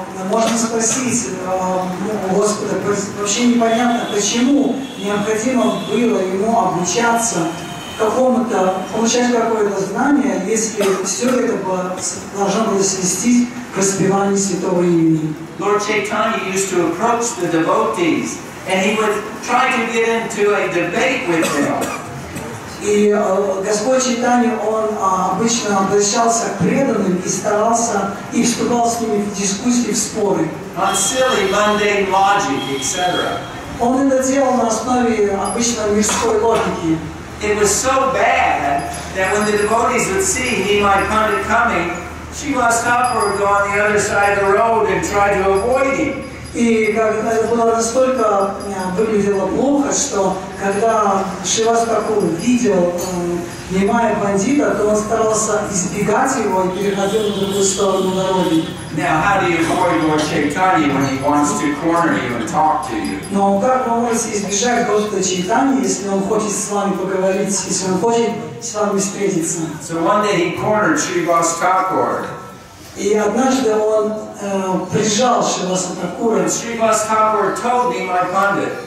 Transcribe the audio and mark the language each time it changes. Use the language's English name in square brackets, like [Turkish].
[Russian] Можно спросить у Господа, вообще непонятно, почему необходимо было ему обучаться какому-то, получать какое-то знание, если все это должно было свестись к воспеванию святого имени. [English] Lord Chaitanya used to approach the devotees and he would try to get into a debate with them. [Russian] И Господь Чайтанья, он обычно обращался к преданным и старался, и вступал с ними в дискуссии, в споры. [English] On silly mundane logic, etc. [Russian] Он это делал на основе обычной мирской логики. [English] It was so bad that when the devotees would see Nimai Pandit coming, Shivas Thakur would go on the other side of the road and try to avoid him. [Russian] И когда было настолько выглядело плохо, что когда Шивас Такур видел Нимая Пандита, то он старался избегать его и переходил на другую сторону дороги. [English] Now how do you avoid Lord Chaitanya when he wants to corner you and talk to you? [Russian] Но как вы можете избежать Господа Чайтаньи, если он хочет с вами поговорить, если он хочет с вами встретиться? [English] So one day he cornered Shivas Thakur. [Russian] И однажды он прижал Шивасатакура. [English] Шривас Тхакур told me, my pundit.